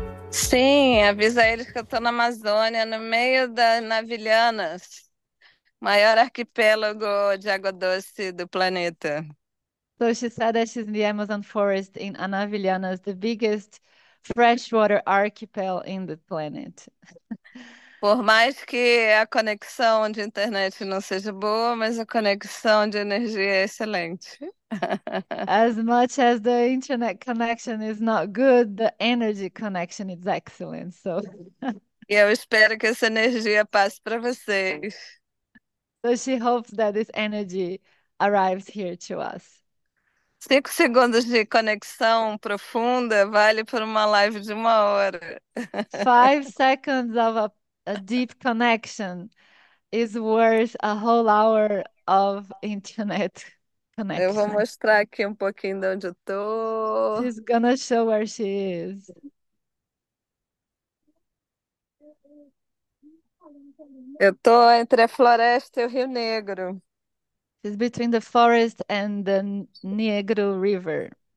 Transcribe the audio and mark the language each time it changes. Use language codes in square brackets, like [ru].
[pt] Sim, avisa eles que eu estou na Amazônia, no meio das Navilhanas, maior arquipélago de água doce do planeta. [en] So she said that she's in the Amazon forest in Anavilhanas, the biggest freshwater archipel in the planet. [pt] Por mais que a conexão de internet não seja boa, mas a conexão de energia é excelente. [en] As much as the internet connection is not good, the energy connection is excellent. So, [pt] Eu espero que essa energia passe para vocês. [en] so she hopes that this energy arrives here to us. [pt] 5 segundos de conexão profunda vale para uma live de 1 hora. [en] 5 seconds of a deep connection is worth a whole hour of internet [pt] Eu vou [en] connection. [pt] mostrar aqui um pouquinho de onde eu tô. [en] She's gonna show where she is. [pt] Eu tô entre a floresta e o Rio Negro. [en] She's between the forest and the Negro River.